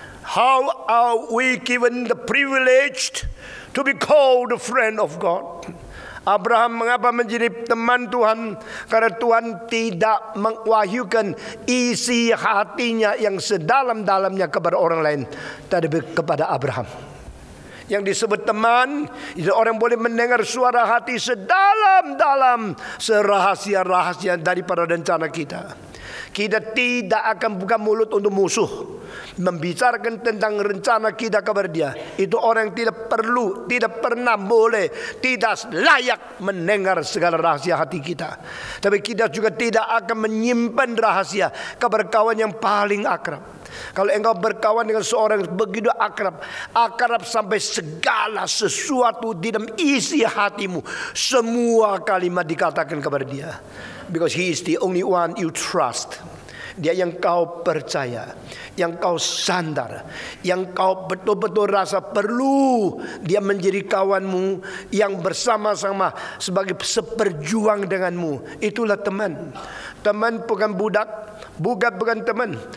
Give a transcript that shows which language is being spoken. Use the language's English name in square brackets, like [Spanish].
[English] How are we given the privilege to be called a friend of God? [Indonesian] Abraham mengapa menjadi teman Tuhan? Karena Tuhan tidak mewahyukan isi hatinya yang sedalam-dalamnya kepada orang lain, tetapi kepada Abraham. Yang disebut teman, itu orang boleh mendengar suara hati sedalam-dalam, serahasia-rahasia daripada rencana kita. Kita tidak akan buka mulut untuk musuh membicarakan tentang rencana kita kepada dia. Itu orang yang tidak perlu, tidak pernah boleh, tidak layak mendengar segala rahasia hati kita. Tapi kita juga tidak akan menyimpan rahasia kepada kawan yang paling akrab. Kalau engkau berkawan dengan seorang begitu akrab, akrab sampai segala sesuatu di dalam isi hatimu, semua kalimat dikatakan kepada dia. [English] Because he is the only one you trust. [Indonesian] Dia yang kau percaya, yang kau sandar, yang kau betul-betul rasa perlu dia menjadi kawanmu, yang bersama-sama sebagai seperjuang denganmu. Itulah teman. Teman bukan budak, budak bukan teman.